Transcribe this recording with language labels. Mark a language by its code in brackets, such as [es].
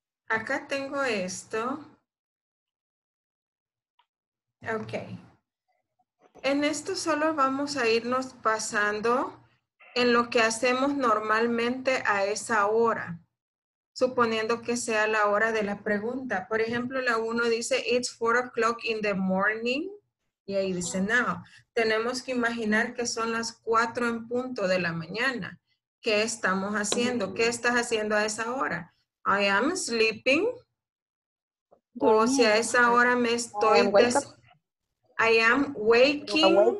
[es] Acá tengo esto. Ok. En esto solo vamos a irnos pasando en lo que hacemos normalmente a esa hora, suponiendo que sea la hora de la pregunta. Por ejemplo, la 1 dice, [en] it's 4 o'clock in the morning. [es] Y ahí dice, no, tenemos que imaginar que son las 4 en punto de la mañana. ¿Qué estamos haciendo? ¿Qué estás haciendo a esa hora? [en] I am sleeping. [es] O si a esa hora me estoy... [en] I am waking.